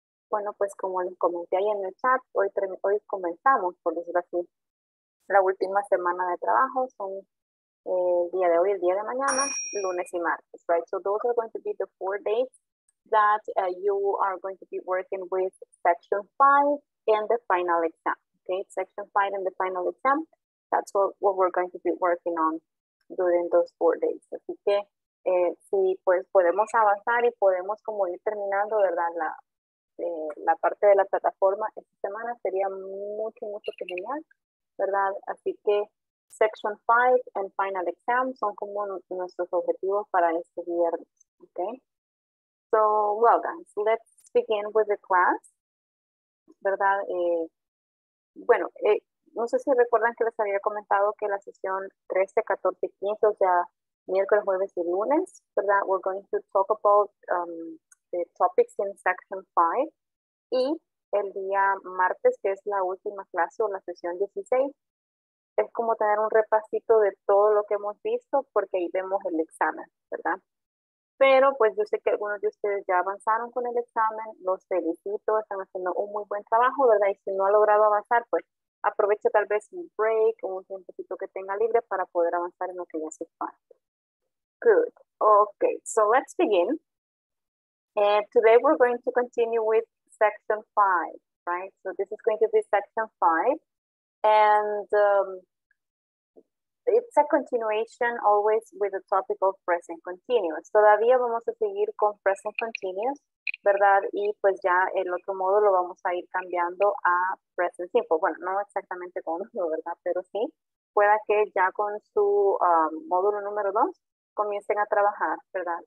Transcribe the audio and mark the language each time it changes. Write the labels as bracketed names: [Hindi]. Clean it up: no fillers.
[Spanish] Bueno, pues como les comenté ahí en el chat, hoy comenzamos, por decirlo así, la última semana de trabajo. Son el día de hoy, el día de mañana, lunes y martes, [English] right? So those are going to be the 4 days that you are going to be working with Section 5 and the final exam, okay? Section 5 and the final exam, that's what we're going to be working on during those 4 days. [Spanish] Así que si pues podemos avanzar y podemos como ir terminando, ¿verdad? La parte de la plataforma esta semana sería mucho, mucho que genial, ¿verdad? Así que [English] Section 5 and Final Exam [Spanish] son como nuestros objetivos para este viernes, okay? [English] So, well, guys, let's begin with the class, [Spanish] ¿verdad? Bueno, no sé si recuerdan que les había comentado que la sesión 13, 14 y 15, o sea, miércoles, jueves y lunes, ¿verdad? [English] We're going to talk about the topics in Section 5. [Spanish] Y el día martes, que es la última clase o la sesión 16, es como tener un repasito de todo lo que hemos visto, porque ahí vemos el examen, ¿verdad? Pero pues yo sé que algunos de ustedes ya avanzaron con el examen, los felicito, están haciendo un muy buen trabajo, ¿verdad? Y si no ha logrado avanzar, pues aprovecha tal vez un break o un tiempecito que tenga libre para poder avanzar en lo que ya se falta. [English] Good. Okay, so let's begin. Today we're going to continue with Section 5, right? So this is going to be Section 5. And it's a continuation always with the topic of present continuous. [Spanish] Todavía vamos a seguir con present continuous, ¿verdad? Y pues ya el otro modo lo vamos a ir cambiando a present simple. Bueno, no exactamente con uno, ¿verdad? Pero sí, pueda que ya con su módulo número 2 comiencen a trabajar, ¿verdad?